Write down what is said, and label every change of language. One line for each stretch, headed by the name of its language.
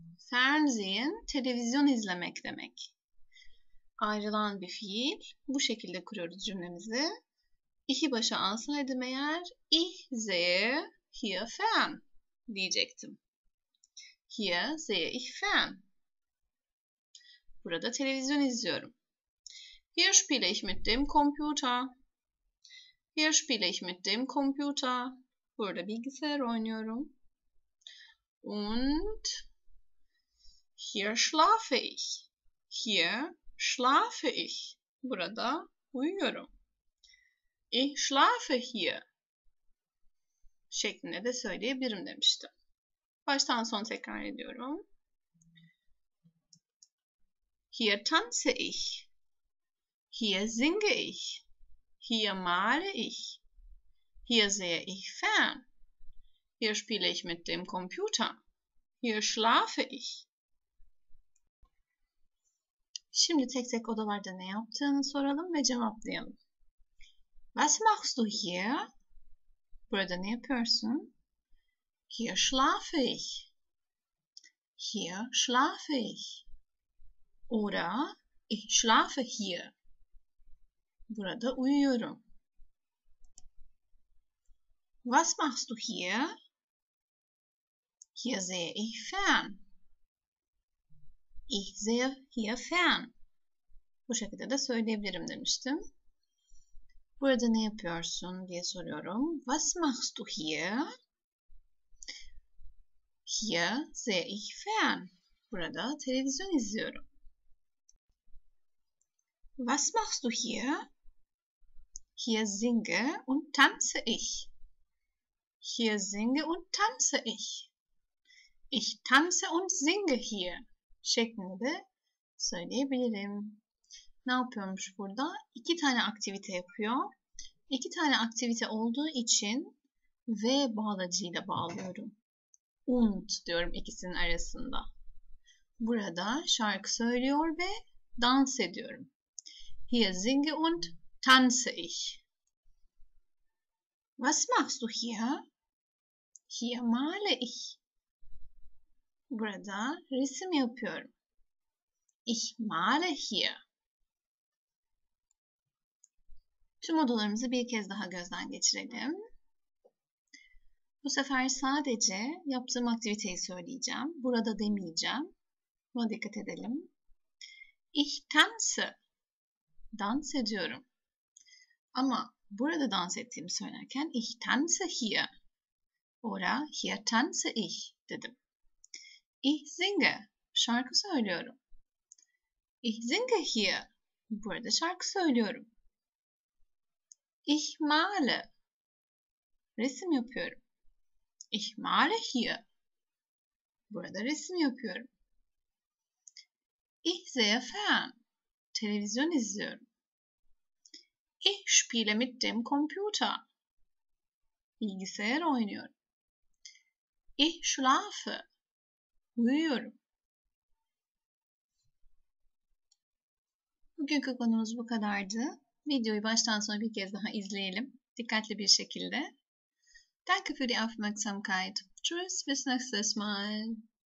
Turkish: Fernsehen, televizyon izlemek demek. Ayrılan bir fiil. Bu şekilde kuruyoruz cümlemizi. İhi başa alsaydım eğer,
German: ich sehe hier fern
Turkish: diyecektim.
German: Hier sehe ich fern.
Turkish: Burada televizyon izliyorum.
German: Hier spiele ich mit dem Computer. Hier spiele ich mit dem Computer.
Turkish: Burada bilgisayar oynuyorum.
German: Und hier schlafe ich. Hier schlafe ich.
Turkish: Burada uyuyorum.
German: Ich schlafe hier.
Turkish: Şeklinde de söyleyebilirim demiştim. Baştan son tekrar ediyorum.
German: Hier tanze ich. Hier singe ich. Hier male ich. Hier sehe ich fern. Hier spiele ich mit dem Computer. Hier schlafe ich.
Turkish: Şimdi tek tek odalarda ne yaptığını soralım ve cevaplayalım.
German: Was machst du hier?
Turkish: Burada ne yapıyorsun?
German: Hier schlafe ich. Hier schlafe ich. Oder ich schlafe hier.
Turkish: Burada uyuyorum.
German: Was machst du hier? Hier sehe ich fern. Ich sehe hier fern.
Turkish: Bu şekilde de söyleyebilirim demiştim. Burada ne yapıyorsun diye soruyorum.
German: Was machst du hier? Hier sehe ich fern.
Turkish: Burada televizyon izliyorum.
German: Was machst du hier? Hier singe und tanze ich. Hier singe und tanze ich. Ich tanze und singe hier.
Turkish: Şeklinde de söyleyebilirim. Ne yapıyormuş burada? İki tane aktivite yapıyor. İki tane aktivite olduğu için V bağlacıyla bağlıyorum. Und diyorum ikisinin arasında. Burada şarkı söylüyor ve dans ediyorum.
German: Hier singe und tanze ich. Was machst du hier? Hier male ich.
Turkish: Burada resim yapıyorum.
German: Ich male hier.
Turkish: Tüm odalarımızı bir kez daha gözden geçirelim. Bu sefer sadece yaptığım aktiviteyi söyleyeceğim. Burada demeyeceğim. Buna dikkat edelim.
German: Ich tanze.
Turkish: Dans ediyorum. Ama burada dans ettiğimi söylerken
German: ich tanze hier. Oder hier tanze ich dedim. Ich singe.
Turkish: Şarkı söylüyorum.
German: Ich singe hier.
Turkish: Burada şarkı söylüyorum.
German: Ich male.
Turkish: Resim yapıyorum.
German: Ich male hier.
Turkish: Burada resim yapıyorum.
German: Ich sehe fern.
Turkish: Televizyon izliyorum.
German: Ich spiele mit dem Computer.
Turkish: Bilgisayar oynuyorum.
German: Ich schlafe.
Turkish: Uyuyorum. Bugünkü konumuz bu kadardı. Videoyu baştan sona bir kez daha izleyelim. Dikkatli bir şekilde.
German: Danke für die Aufmerksamkeit. Tschüss, bis nächstes Mal.